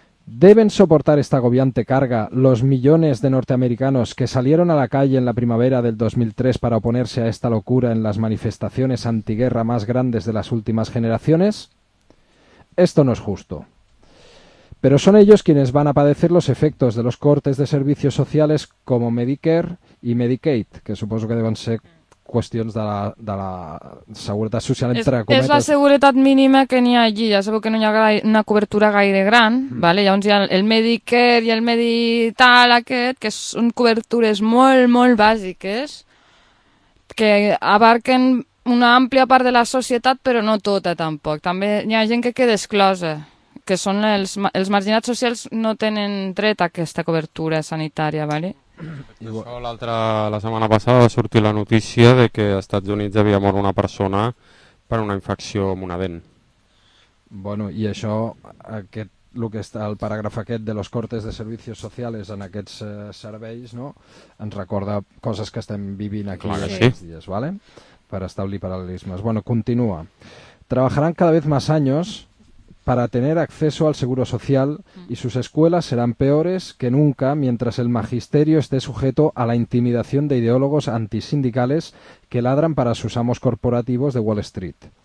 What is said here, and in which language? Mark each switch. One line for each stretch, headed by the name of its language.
Spanish: ¿Deben soportar esta agobiante carga los millones de norteamericanos que salieron a la calle en la primavera del 2003 para oponerse a esta locura en las manifestaciones antiguerra más grandes de las últimas generaciones? Esto no es justo. Pero son ellos quienes van a padecer los efectos de los cortes de servicios sociales como Medicare y Medicaid, que supongo que deben ser
Catalan: qüestions de la seguretat social, entre cometes. És la seguretat mínima que n'hi ha allí. Ja sabeu que no hi ha una cobertura gaire gran, vale? Llavors hi ha el Medicare i el Medital aquest, que són cobertures molt, molt bàsiques, que abarquen una àmplia part de la societat, però no tota tampoc. També hi ha gent que queda exclosa, que són els marginats socials, no tenen dret a aquesta cobertura sanitària, vale? Això, la setmana passada va sortir la notícia de que als Estats Units havia mort una persona per una infecció amb una dent. Bueno, i això, el que està el paràgraf aquest
Spanish: de los cortes de servicios sociales
Catalan: en aquests serveis, no? Ens recorda coses que estem vivint aquí aquests dies, vale? Per establir paral·lelismes. Bueno, continua.
Spanish: Trabajarán cada vez más años para tener acceso al seguro social y sus escuelas serán peores que nunca mientras el magisterio esté sujeto a la intimidación de ideólogos antisindicales que ladran para sus amos corporativos de Wall Street.